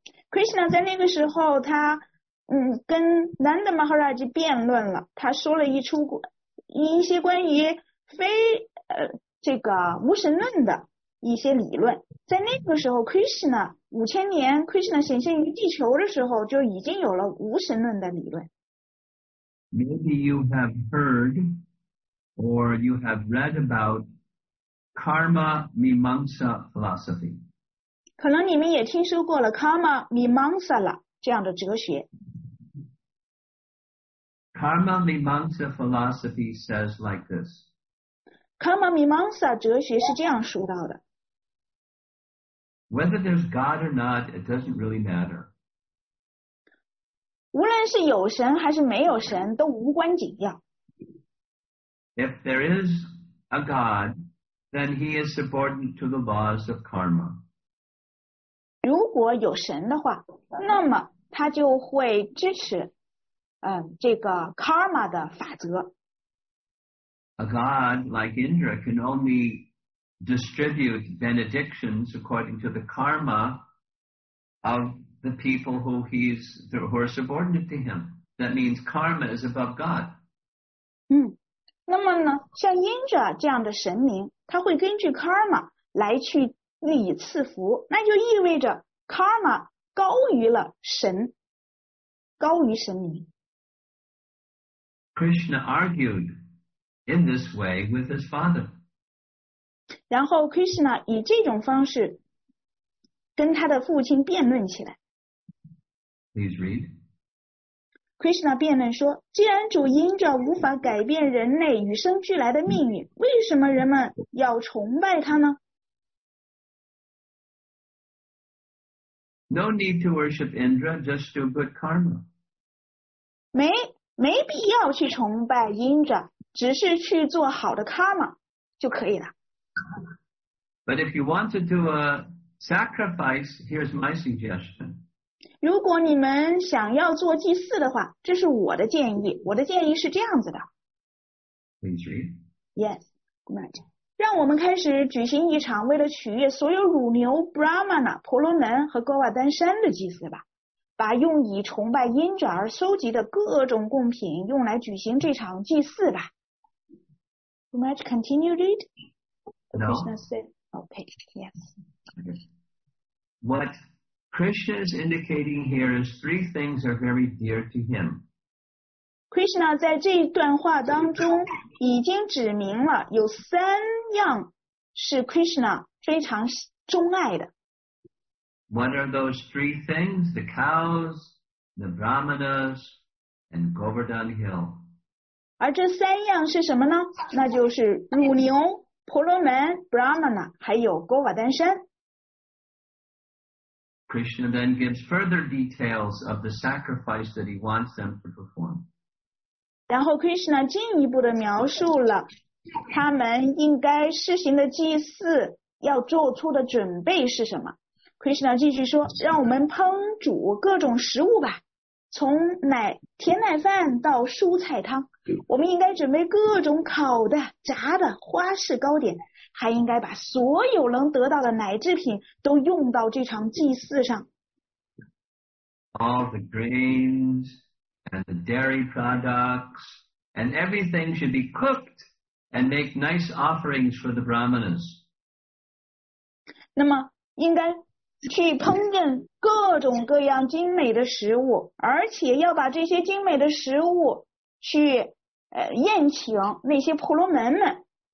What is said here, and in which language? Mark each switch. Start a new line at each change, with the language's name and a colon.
Chinese: Krishna 在那个时候他跟 Nanda Maharaj 辩论了，他说了一些关于这个无神论的一些理论，在那个时候 Krishna 五千年 Krishna 显现于地球的时候就已经有了无神论的理论。
English: Maybe you have heard or you have read about Karma Mimamsa philosophy.
Chinese: 可能你们也听说过了 Karma Mimamsa 这样的哲学。
English: Karma Mimamsa philosophy says like this
Chinese: Karma Mimamsa 哲学是这样说到的。
English: Whether there's God or not, it doesn't really matter.
Chinese: 无论是有神还是没有神都无关紧要。
English: If there is a God, then he is subordinate to the laws of karma.
Chinese: 如果有神的话，那么他就会支持这个 karma 的法则。
English: A god like Indra can only distribute benedictions according to the karma of the people who are subordinate to him. That means karma is above God.
Chinese: 那么呢，像英者这样的神明，他会根据 karma 来去予以赐福，那就意味着 karma 高于了神，高于神明。
English: Krishna argued in this way with his father.
Chinese: 然后 Krishna 以这种方式跟他的父亲辩论起来。
English: Please read.
Chinese: Krishna 辩论说，既然主因着无法改变人类与生俱来的命运，为什么人们要崇拜他呢？
English: No need to worship Indra, just do good karma.
Chinese: 没必要去崇拜 Indra, 只是去做好的 karma 就可以了。
English: But if you want to do a sacrifice, here's my suggestion.
Chinese: 如果你们想要做祭祀的话，这是我的建议。我的建议是这样子的。
English: Yes, good night.
Chinese: 让我们开始举行一场为了取悦所有乳牛、Brahmana、婆罗门和高瓦丹山的祭祀吧。把用以崇拜因者而搜集的各种贡品用来举行这场祭祀吧。
English: Good night, continue read. The Krishna said, okay, yes. What? Krishna is indicating here is three things are very dear to him.
Chinese: Krishna 在这一段话当中已经指明了有三样是 Krishna 非常钟爱的。
English: What are those three things? The cows, the brahmanas, and Govardhan Hill.
Chinese: 而这三样是什么呢？那就是乳牛、婆罗门、brahmana, 还有 Govardhan 山。
English: Krishna then gives further details of the sacrifice that he wants them to perform.
Chinese: 然后 Krishna 进一步的描述了他们应该施行的祭祀要做出的准备是什么。 Krishna 继续说，让我们烹煮各种食物吧，从奶甜奶饭到蔬菜汤，我们应该准备各种烤的、炸的、花式糕点，还应该把所有能得到的奶制品都用到这场祭祀上。
English: All the grains and the dairy products and everything should be cooked and make nice offerings for the brahmanas.
Chinese: 那么应该去烹饪各种各样精美的食物，而且要把这些精美的食物去宴请那些婆罗门们。